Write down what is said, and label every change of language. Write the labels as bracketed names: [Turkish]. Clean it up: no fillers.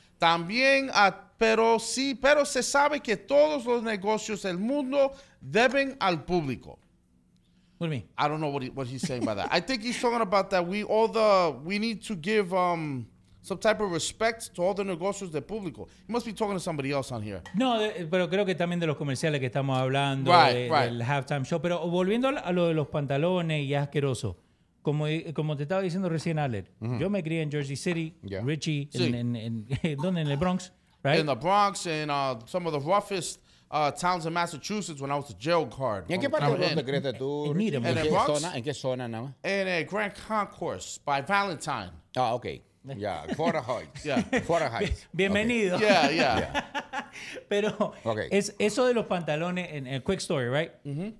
[Spanish] También, pero se sabe que todos los negocios del mundo deben al público. [English] What do you mean? I don't know what he's saying by that. I think he's talking about that we need to give some type of respect to all the [Spanish] negocios de público. [English] He must be talking to somebody else on here. [Spanish] No, pero creo que también de los comerciales que estamos hablando, [English] right. [Spanish] Del halftime show. Pero volviendo a lo de los pantalones y asqueroso, como te estaba diciendo recién, Alec, mm-hmm. Yo me crié en Jersey City, [English] yeah. [Spanish] Richie, sí. ¿Dónde? En el Bronx, right? [English] In the Bronx, in some of the roughest towns in Massachusetts when I was a jail guard. [Spanish] ¿Y en qué parte de Bronx te crees tú? ¿En qué zona nada más? En el Grand Concourse by Valentine. [English] Ah, ok. Yeah, Fort Heights. Yeah. Fort Heights. [Spanish] Bienvenido. [English] Okay. Yeah. [Spanish] Pero [English] okay. [Spanish] Es eso de los pantalones, en el [English] quick story, right? Mm-hmm.